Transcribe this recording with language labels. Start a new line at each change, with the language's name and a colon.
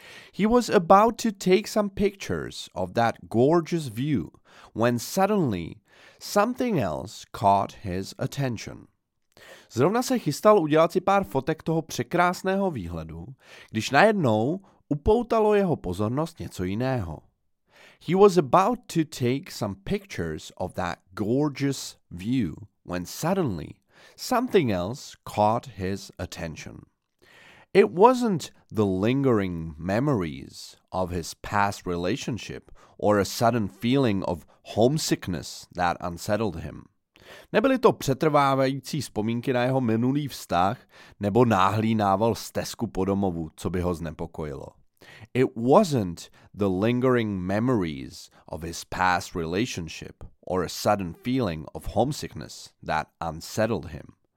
English: He was about to take some pictures of that gorgeous view when suddenly something else caught his attention.
Czech: Zrovna se chystal udělat si pár fotek toho překrásného výhledu, když najednou upoutalo jeho pozornost něco jiného.
English: He was about to take some pictures of that gorgeous view when suddenly something else caught his attention. It wasn't the lingering memories of his past relationship or a sudden feeling of homesickness that unsettled him.
Czech: Nebyly to přetrvávající vzpomínky na jeho minulý vztah nebo náhlý nával stesku po domovu, co by ho znepokojilo.
English: It wasn't the lingering memories of his past relationship or a sudden feeling of homesickness that unsettled him.